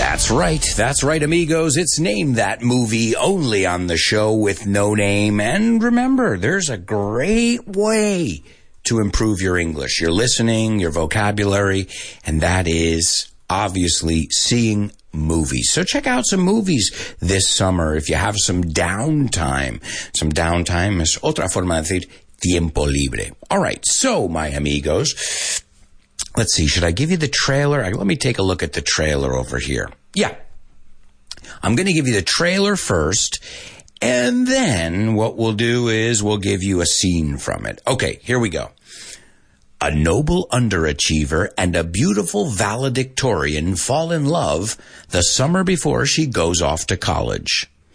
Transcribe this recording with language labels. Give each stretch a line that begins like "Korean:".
English: Right. That's right, amigos. It's Name That Movie, only on the show with no name. And remember, there's a great way to improve your English, your listening, your vocabulary, and that is obviously seeing movies. So check out some movies this summer if you have some downtime. Some downtime is
Spanish: otra forma de decir tiempo libre.
English: All right. So, my amigos, let's see. Should I give you the trailer? Let me take a look at the trailer over here. Yeah, I'm going to give you the trailer first, and then what we'll do is we'll give you a scene from it. Okay, here we go. A noble underachiever and a beautiful valedictorian fall in love the summer before she goes off to college.